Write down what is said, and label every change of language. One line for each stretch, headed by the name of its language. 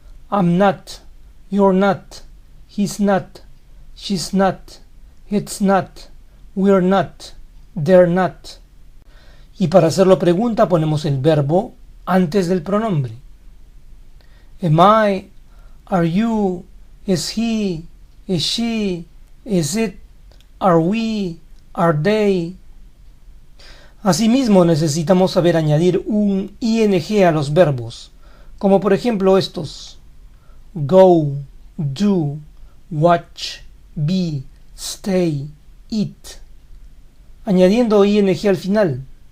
English: I'm not, you're not, he's not, she's not, it's not, we're not, they're not.
Spanish: Y para hacerlo pregunta ponemos el verbo antes del pronombre.
English: Am I, are you, is he, is she, is it, are we, are they.
Spanish: Asimismo necesitamos saber añadir un ing a los verbos, como por ejemplo estos. Go, do, watch, be, stay, eat, añadiendo ing al final.